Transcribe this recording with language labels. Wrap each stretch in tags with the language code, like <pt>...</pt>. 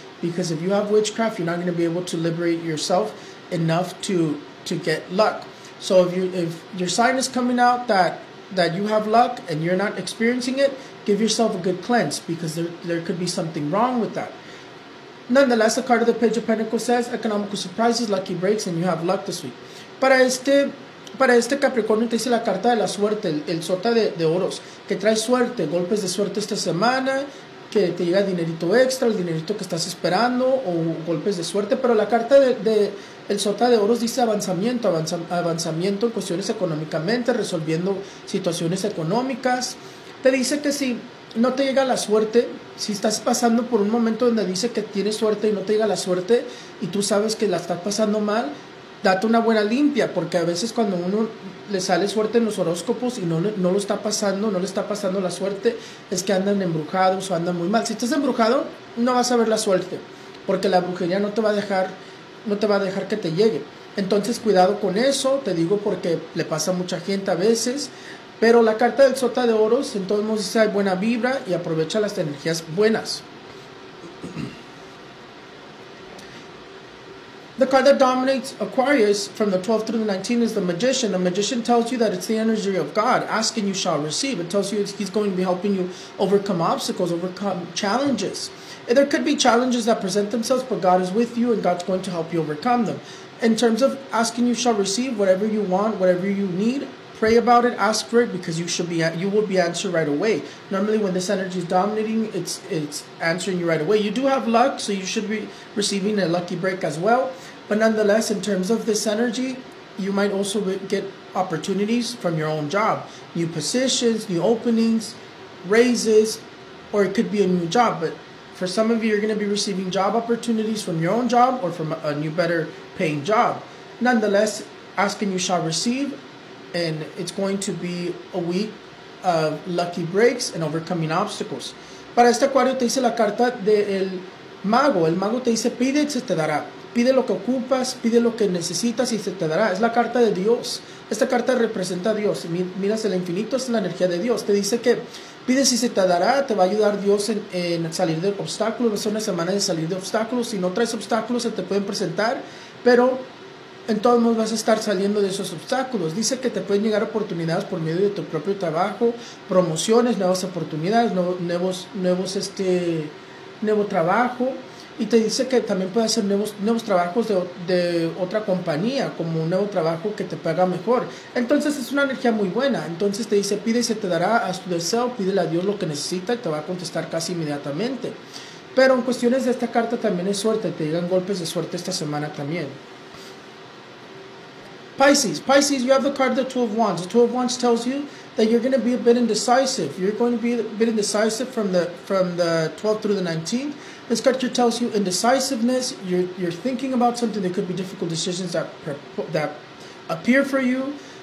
<en>Because if you have witchcraft, you're not going to be able to liberate yourself enough to get luck. So if your sign is coming out that that you have luck and you're not experiencing it, give yourself a good cleanse, because there could be something wrong with that. Nonetheless, the card of the Page of Pentacles says economical surprises, lucky breaks, and you have luck this week.</en> <es>Para este Capricornio te dice la carta de la suerte, el sota de oros, que trae suerte, golpes de suerte esta semana, que te llega dinerito extra, el dinerito que estás esperando, o golpes de suerte. Pero la carta de el sota de oros dice avanzamiento en cuestiones económicamente, resolviendo situaciones económicas. Te dice que si no te llega la suerte, si estás pasando por un momento donde dice que tienes suerte y no te llega la suerte, y tú sabes que la estás pasando mal, date una buena limpia, porque a veces cuando uno le sale suerte en los horóscopos y no le está pasando la suerte, es que andan embrujados o andan muy mal. Si estás embrujado, no vas a ver la suerte, porque la brujería no te va a dejar que te llegue. Entonces, cuidado con eso, te digo, porque le pasa a mucha gente a veces. Pero la carta del sota de oros, en todos modos, dice hay buena vibra y aprovecha las energías buenas.</es> <en>The card that dominates Aquarius from the 12th through the 19th is the Magician. The Magician tells you that it's the energy of God. Ask and you shall receive. It tells you he's going to be helping you overcome obstacles, overcome challenges. There could be challenges that present themselves, but God is with you and God's going to help you overcome them. In terms of asking, you shall receive whatever you want, whatever you need. Pray about it, ask for it, because you will be answered right away. Normally, when this energy is dominating, it's answering you right away. You do have luck, so you should be receiving a lucky break as well. But nonetheless, in terms of this energy, you might also get opportunities from your own job. New positions, new openings, raises, or it could be a new job. But for some of you, you're going to be receiving job opportunities from your own job or from a new, better paying job. Nonetheless, ask and you shall receive. And it's going to be a week of lucky breaks and overcoming obstacles.</en> <es>Para este Acuario te dice la carta del Mago. El Mago te dice, pide y se te dará. Pide lo que ocupas, pide lo que necesitas y se te dará. Es la carta de Dios. Esta carta representa a Dios. Miras el infinito, es la energía de Dios. Te dice que pide si se te dará, te va a ayudar Dios en salir de obstáculos. Va a ser una semana de salir de obstáculos. Si no traes obstáculos, se te pueden presentar, pero en todos modos vas a estar saliendo de esos obstáculos. Dice que te pueden llegar oportunidades por medio de tu propio trabajo, promociones, nuevas oportunidades, nuevo trabajo. Y te dice que también puede hacer nuevos trabajos de otra compañía, como un nuevo trabajo que te paga mejor. Entonces es una energía muy buena. Entonces te dice, pide y se te dará, haz tu deseo, pídele a Dios lo que necesita y te va a contestar casi inmediatamente. Pero en cuestiones de esta carta también es suerte, te llegan golpes de suerte esta semana también.</es> <en>Pisces, you have the card of the Two of Wands. The Two of Wands tells you that you're going to be a bit indecisive. You're going to be a bit indecisive from the 12th through the 19th. This card here tells you indecisiveness. You're thinking about something. There could be difficult decisions that appear for you.</en>